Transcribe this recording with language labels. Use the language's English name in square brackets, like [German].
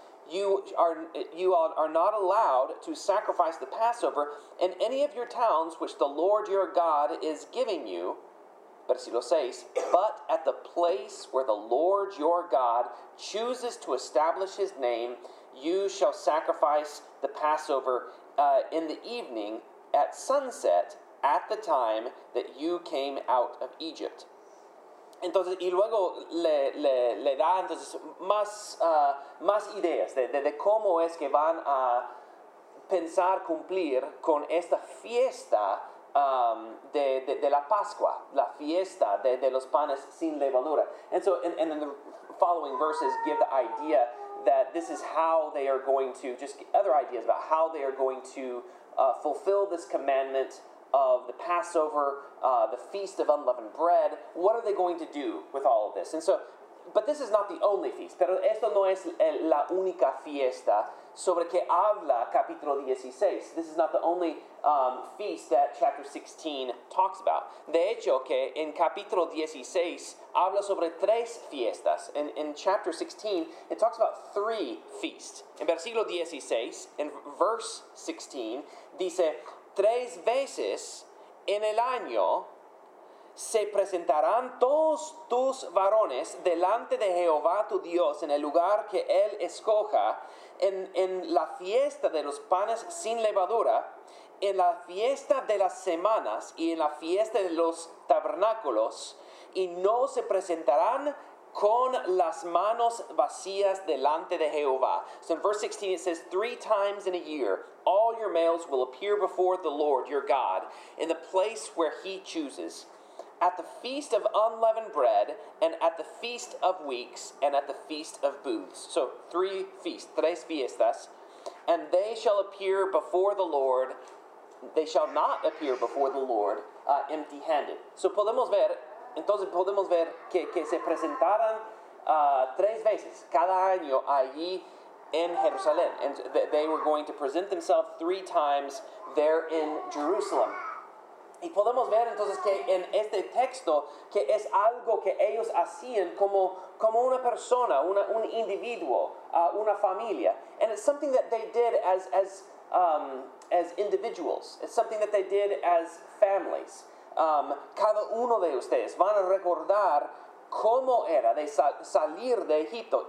[English] You are not allowed to sacrifice the Passover in any of your towns which the Lord your God is giving you, [Spanish] versículo 6, [English] but at the place where the Lord your God chooses to establish his name, you shall sacrifice the Passover in the evening at sunset at the time that you came out of Egypt. [Spanish] Entonces, y luego le da entonces más ideas de cómo es que van a pensar cumplir con esta fiesta de la Pascua, la fiesta de los panes sin levadura. [English] And so, and then the following verses give the idea that this is how they are going to, just other ideas about how they are going to fulfill this commandment of the Passover, the Feast of Unleavened Bread. What are they going to do with all of this? And so, but this is not the only feast. [Spanish] Pero esto no es la única fiesta sobre que habla capítulo 16. [English] This is not the only feast that chapter 16 talks about. [Spanish] De hecho, que en capítulo 16 habla sobre tres fiestas. [English] In chapter 16, it talks about three feasts. [Spanish] En versículo 16, [English] in verse 16, [Spanish] dice, tres veces en el año se presentarán todos tus varones delante de Jehová tu Dios en el lugar que él escoja, en la fiesta de los panes sin levadura, en la fiesta de las semanas y en la fiesta de los tabernáculos, y no se presentarán con las manos vacías delante de Jehová. [English] So in verse 16 it says, three times in a year all your males will appear before the Lord your God in the place where he chooses, at the feast of unleavened bread, and at the feast of weeks, and at the feast of booths. So three feasts, [Spanish] tres fiestas, [English] and they shall appear before the Lord. They shall not appear before the Lord empty-handed. [Spanish] So podemos ver. Entonces podemos ver que se presentaran tres veces cada año allí en Jerusalén. [English] And they were going to present themselves three times there in Jerusalem. [Spanish] Y podemos ver entonces que en este texto que es algo que ellos hacían como una persona, un individuo, una familia. [English] And it's something that they did as individuals. It's something that they did as families. [Spanish] Cada uno de ustedes van a recordar cómo era de salir de Egipto.